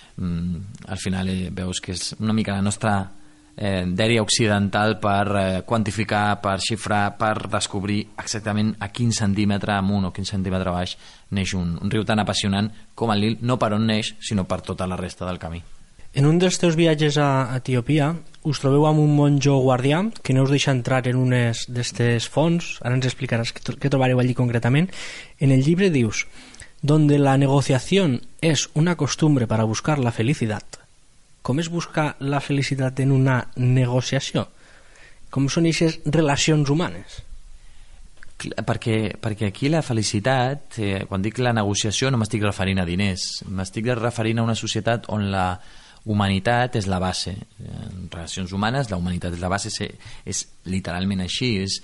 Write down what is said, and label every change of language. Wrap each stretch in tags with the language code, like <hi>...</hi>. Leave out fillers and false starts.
<ca>Al final veus que és una mica la nostra dèria occidental per quantificar, per xifrar, per descobrir exactament a quin centímetre amunt o quin centímetre baix neix un riu tan apassionant com el Nil, no per on neix, sinó per tota la resta del camí. En un dels teus viatges a Etiòpia us trobeu amb un monjo guardià que no us deixa entrar en unes d'aquestes fonts. Ara ens explicaràs què trobareu allí concretament. En el llibre dius:</ca> <es>donde la negociación es una costumbre para buscar la felicidad.</es> <ca>Com es busca la felicitat en una negociació? Com són aquestes relacions humanes? Perquè aquí la felicitat, quan dic la negociació, no m'estic referint a diners, m'estic referint a una societat on la humanitat és la base. En relacions humanes, la humanitat és la base, és literalment així.</ca>